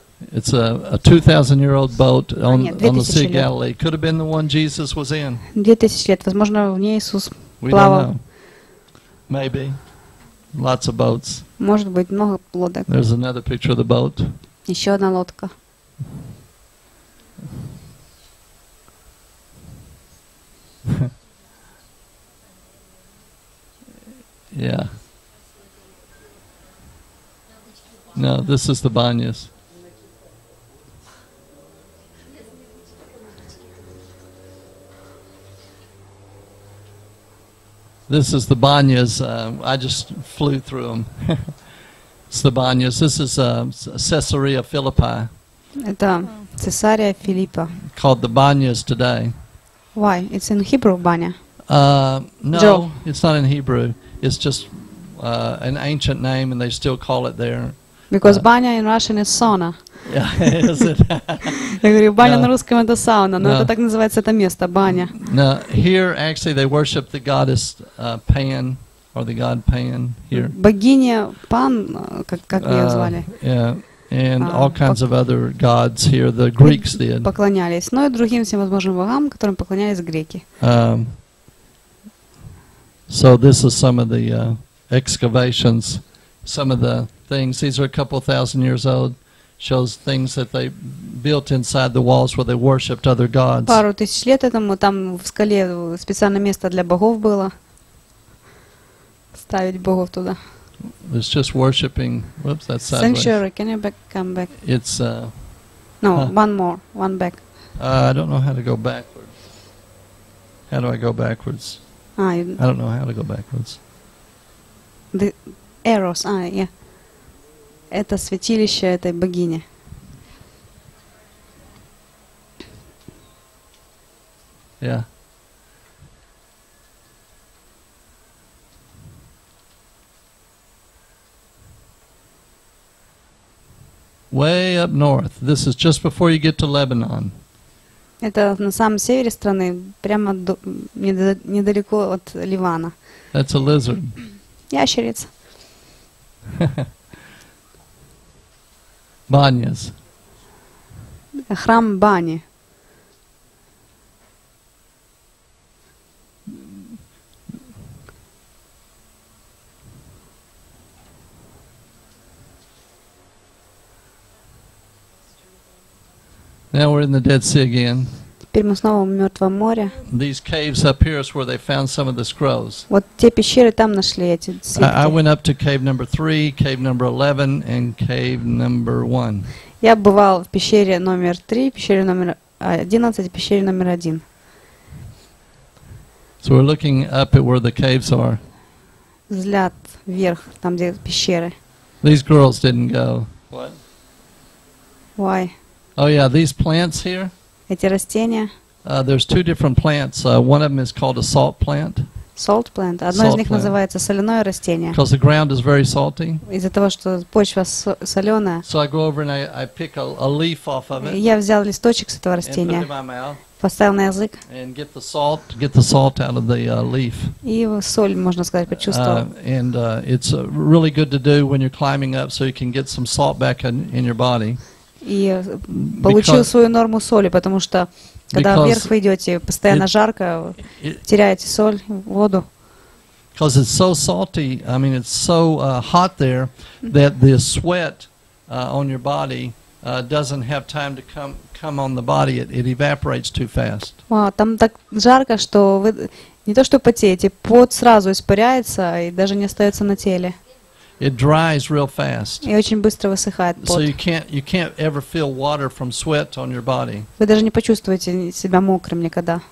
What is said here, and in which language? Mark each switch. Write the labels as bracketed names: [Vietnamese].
[English] It's a 2,000-year-old boat on the Sea of Galilee. Could have been the one Jesus was in. [Russian] 2,000 лет, возможно, в ней Иисус плавал. [English] We don't know. Maybe. Lots of boats. [Russian] Может быть, много лодок. [English] There's another picture of the boat. [Russian] Еще одна лодка. [English] Yeah. No, this is the banyas. This is the banyas. I just flew through them. It's the banyas. This is Caesarea Philippi. [Russian] Это Цесария Филиппа. [English] Called the banyas today. Why? It's in Hebrew, banya. No, Joe. It's not in Hebrew. It's just an ancient name, and they still call it there. Because banya in Russian is sauna. Yeah, is it? [Russian] Я говорю, баня на русском это сауна, но это так называется это место, баня. [English] No, here actually they worship the goddess Pan or the god Pan here. [Russian] Богиня Пан, как ее звали? [English] Yeah, and all kinds of other gods here. The Greeks did. [Russian] Поклонялись, но и другим всем возможным богам, которым поклонялись греки. [English] So this is some of the excavations, some of the things. These are a couple thousand years old. Shows things that they built inside the walls where they worshipped other gods. [Russian] Пару тысяч лет этому там в скале специальное место для богов было. Ставить богов туда. [English] It's just worshiping. Whoops, that's sideways. Sanctuary. Can you back? Come back. It's One more. One back. I don't know how to go backwards. How do I go backwards? I don't know how to go backwards. The arrows. Yeah. [Russian] Это святилище этой богини. [English] Yeah. Way up north. This is just before you get to Lebanon. [Russian] Это на самом севере страны, прямо недалеко от Ливана. [English] That's a lizard. [Russian] Ящерица. [English] Banyas. [Russian] Храм бани. [English] Now we're in the Dead Sea again. [Russian] Теперь мы снова в Мертвом море. [English] These caves up here is where they found some of the scrolls. [Russian] Вот те пещеры там нашли эти свитки. [English] I went up to cave number 3, cave number 11, and cave number 1. [Russian] Я бывал в пещере номер 3, пещере номер 11 и пещере номер 1. [English] So we're looking up at where the caves are. [Russian] Взгляд вверх, там где пещеры. [English] These girls didn't go. What? Why? Oh yeah, these plants here. [Russian] Эти растения. [English] There's two different plants. One of them is called a salt plant. Salt plant. [Russian] Одно из них называется соляное растение. [English] Because the ground is very salty. [Russian] Из-за того, что почва соленая. [English] So I go over and I pick a leaf off of it. [Russian] Я взял листочек с этого растения. [English] And put it in my mouth. [Russian] Поставил на язык. [English] And get the salt out of the leaf. [Russian] И соль, можно сказать, почувствовал. [English] And it's really good to do when you're climbing up, so you can get some salt back in your body. [Russian] И получил because, свою норму соли, потому что когда вверх вы идете, постоянно жарко, теряете соль, воду. [English] Because it's so salty, I mean, it's so hot there that the sweat on your body doesn't have time to come on the body. It evaporates too fast. [Russian] Wow, там так жарко, что вы не то что потеете, пот сразу испаряется и даже не остается на теле. [English] It dries real fast. [Russian] И очень быстро высыхает пот. [English] So you can't ever feel water from sweat on your body. [Russian] Вы даже не почувствуете себя мокрым никогда.